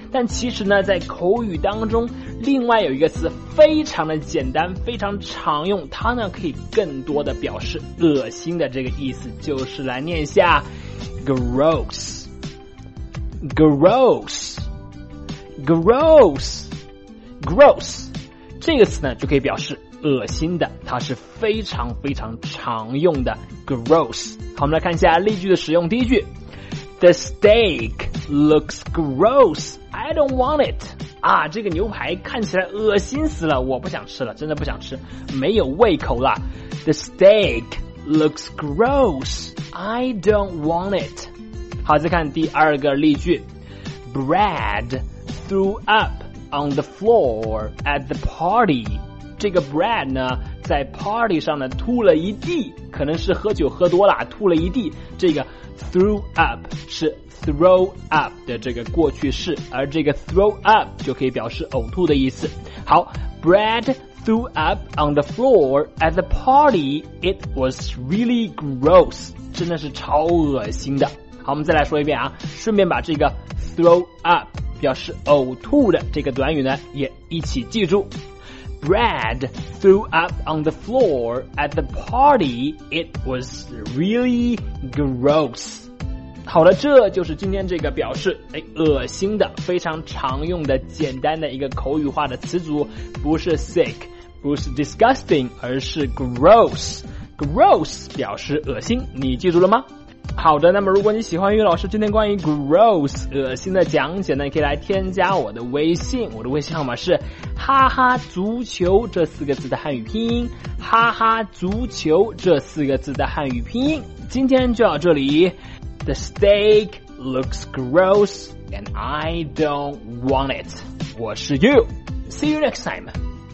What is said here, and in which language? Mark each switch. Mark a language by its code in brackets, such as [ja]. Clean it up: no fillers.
[zh] 但其实呢，在口语当中，另外有一个词非常的简单，非常常用，它呢可以更多的表示恶心的这个意思，就是来念一下 gross。 Gross 这个词呢就可以表示恶心的，它是非常非常常用的 Gross。好，我们来看一下例句的使用。第一句， [en] The steak looks gross, I don't want it。 [zh] 啊，这个牛排看起来恶心死了，我不想吃了，真的不想吃，没有胃口了。 [en] The steak looks gross, I don't want it。 [zh] 好，再看第二个例句， [en] Brad threw up on the floor at the party。 [zh] 这个 Brad 呢在 party 上呢吐了一地，可能是喝酒喝多了吐了一地。这个 threw up 是 throw up 的这个过去式，而这个 throw up 就可以表示呕吐的意思。 [en] 好， Brad threw up on the floor at the party, it was really gross, [zh] 真的是超恶心的。好，我们再来说一遍啊，顺便把这个 throw up 表示呕吐的这个短语呢也一起记住。 [en] Brad threw up on the floor at the party, it was really gross。 [zh] 好了，这就是今天这个表示恶心的非常常用的简单的一个口语化的词组，不是 sick， 不是 disgusting， 而是 gross。 Gross 表示恶心，你记住了吗？好的，那么如果你喜欢于老师今天关于 gross 恶心的讲解呢，可以来添加我的微信，我的微信号码是哈哈足球这四个字的汉语拼音，哈哈足球这四个字的汉语拼音。今天就到这里， [en] The steak looks gross and I don't want it。 [zh] 我是 [en] you， See you next time。